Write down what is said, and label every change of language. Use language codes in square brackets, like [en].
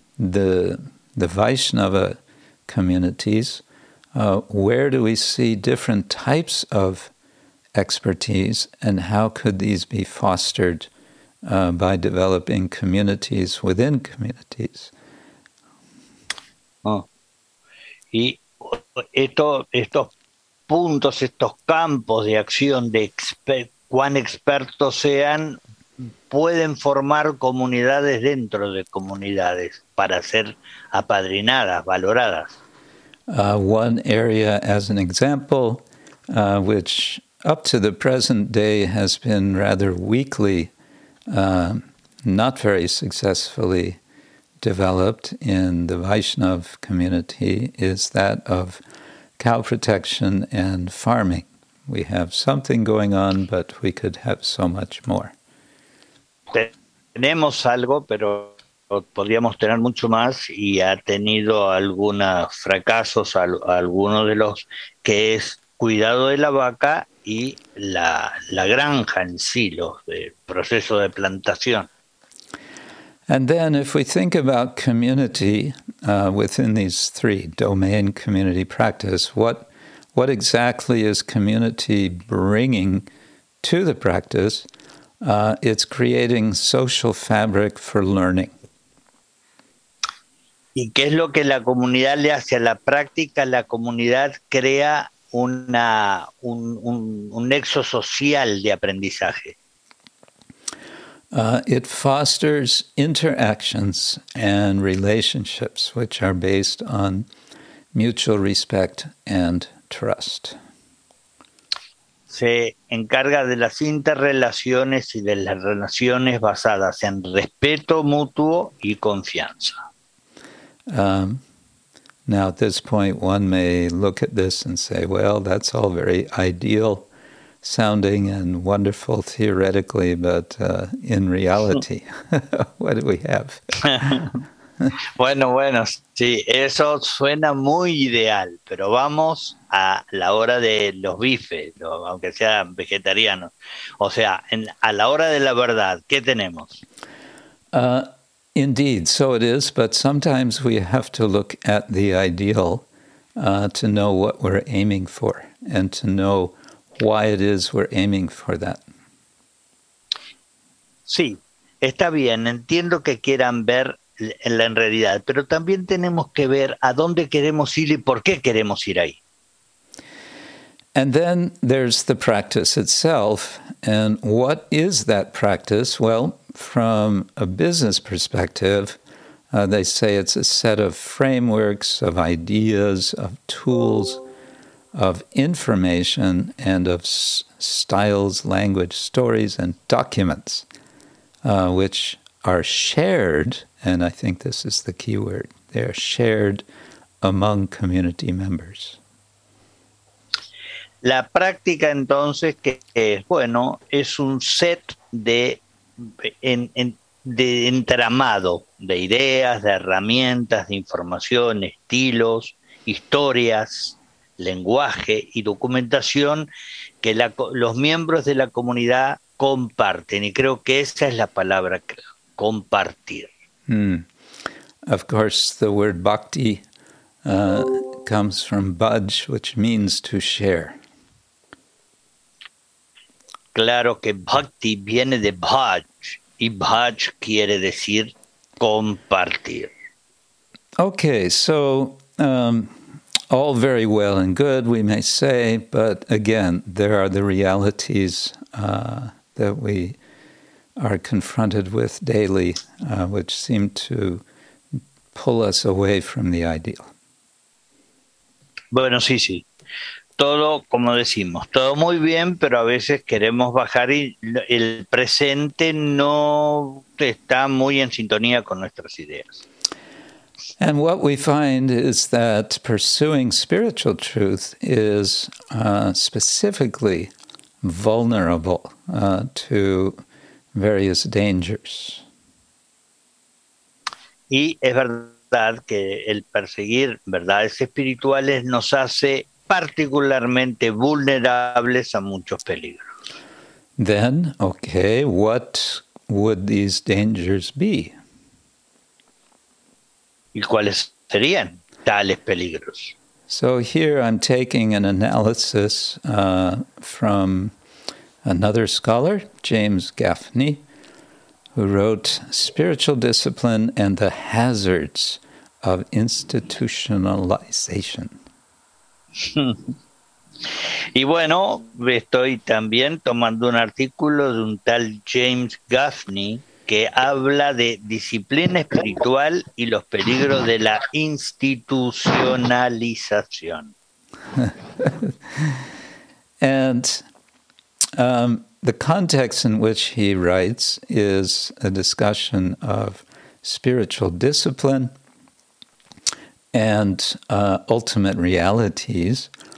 [en] the Vaishnava communities, where do we see different types of expertise, and how could these be fostered by developing communities within communities? [es] Oh. Y estos puntos, estos campos de acción de cuán expertos sean, pueden formar comunidades dentro de comunidades para ser apadrinadas, valoradas. [en] One area, as an example, which up to the present day has been rather weakly, not very successfully developed in the Vaishnav community, is that of cow protection and farming. We have something going on, but we could have so much more. [es] Tenemos algo, pero podríamos tener mucho más, y ha tenido algunos fracasos, algunos de los que es cuidado de la vaca y la granja en sí, el proceso de plantación. [en] And then if we think about community within these three, domain, community, practice, what exactly is community bringing to the practice? It's creating social fabric for learning. [es] ¿Y qué es lo que la comunidad le hace a la práctica? La comunidad crea un nexo social de aprendizaje. [en] It fosters interactions and relationships which are based on mutual respect and trust. [es] Se encarga de las interrelaciones y de las relaciones basadas en respeto mutuo y confianza. [en] Now, at this point, one may look at this and say, well, that's all very ideal sounding and wonderful theoretically, but in reality, what do we have? [es] Bueno, sí, eso suena muy ideal, pero vamos a la hora de los bifes, aunque sean vegetarianos. O sea, a la hora de la verdad, ¿qué tenemos? [en] Indeed, so it is, but sometimes we have to look at the ideal to know what we're aiming for and to know why it is we're aiming for that. [es] Sí, está bien, entiendo que quieran ver la en realidad, pero también tenemos que ver a dónde queremos ir y por qué queremos ir ahí. [en] And then there's the practice itself, and what is that practice? Well, from a business perspective, they say it's a set of frameworks, of ideas, of tools, of information, and of styles, language, stories, and documents, which are shared, and I think this is the key word, they're shared among community members. [es] La práctica, entonces, que es bueno, es un set de entramado de ideas, de herramientas, de información, estilos, historias, lenguaje y documentación que los miembros de la comunidad comparten. Y creo que esa es la palabra, compartir. Hmm. [en] Of course, the word bhakti comes from bhaj, which means to share. [es] Claro que bhakti viene de bhaj, y bhaj quiere decir compartir. [en] Okay, so all very well and good, we may say, but again, there are the realities that we are confronted with daily, which seem to pull us away from the ideal. [es] Bueno, sí, sí. Todo, como decimos, todo muy bien, pero a veces queremos bajar y el presente no está muy en sintonía con nuestras ideas. [en] And what we find is that pursuing spiritual truth is specifically vulnerable to various dangers. [es] Y es verdad que el perseguir verdades espirituales nos hace particularmente vulnerables a muchos peligros. [en] Then, okay, what would these dangers be? [es] y cuáles serían tales peligros. [en] So here I'm taking an analysis from another scholar, James Gaffney, who wrote Spiritual Discipline and the Hazards of Institutionalization. [es] Y bueno, estoy también tomando un artículo de un tal James Gaffney que habla de disciplina espiritual y los peligros de la institucionalización. [en] And the context in which he writes is a discussion of spiritual discipline and ultimate realities.